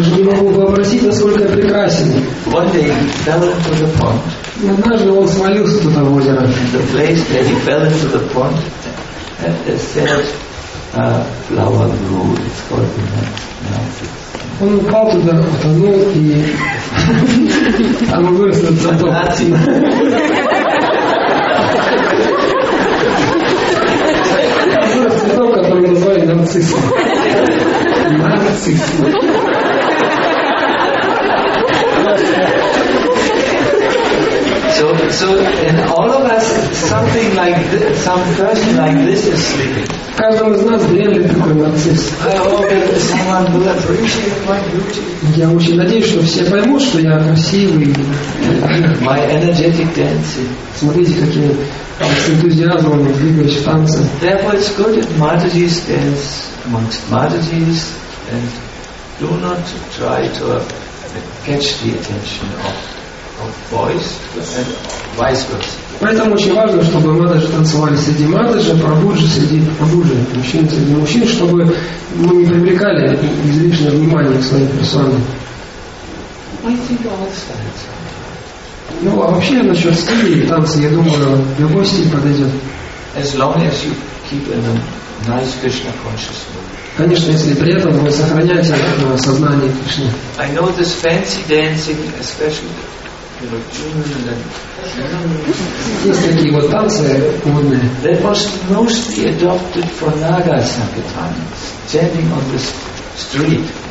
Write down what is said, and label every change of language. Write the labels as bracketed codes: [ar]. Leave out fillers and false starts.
[ru] же не могу вообразить, насколько я прекрасен. [en] One day he fell into the pond. [ru] И однажды он свалился туда в озеро. [en] The place that he fell into the pond had a sad flower grew. It's called the Narcissus. [ru] Он упал туда, утонул, и там вырос этот цветок. Цветок, который назвали нарциссом. Нарциссом. [en] So in all of us, something like this, some person like this is sleeping. [ru] Каждому из нас дремлет такой нарцисс. [en] I hope that someone will appreciate my beauty. [ru] Я очень надеюсь, что все поймут, что я красивый. [en] My energetic dancing. [ru] Смотрите, как я с энтузиазмом двигаюсь в танце. [en] Therefore, it's good that Matajis dance amongst Matajis and do not try to catch the attention of boys and vice versa. [ru] Поэтому очень важно, чтобы мададжи танцевали среди мададжи, прабуджи среди прабуджи, мужчин среди мужчин, чтобы мы не привлекали излишнее внимание к своей персоне. Ну, а вообще насчет стилей и танца, я думаю, любой стиль подойдет. [en] As long as you keep in a nice Krishna consciousness. [ru] Конечно, если при этом вы сохраняете сознание Кришны. [en] I know this fancy dancing, especially, you know, [ru] есть такие вот танцы модные. [en] That was mostly adopted for Naga Sankirtana, standing on the street.